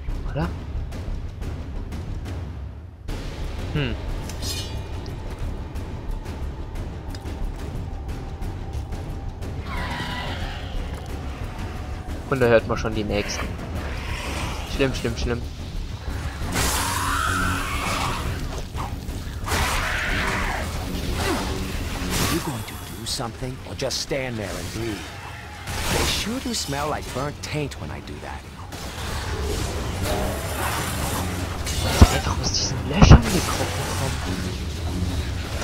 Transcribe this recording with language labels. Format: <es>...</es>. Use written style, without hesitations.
<de>Oder? Hm. Und da hört man schon die nächsten. Schlimm, schlimm, schlimm.</de> <en>Are you going to do something or just stand there and breathe? They sure do smell like burnt taint when I do that.</en> <de>Einfach aus diesen Löchern gekrochen kommen.</de>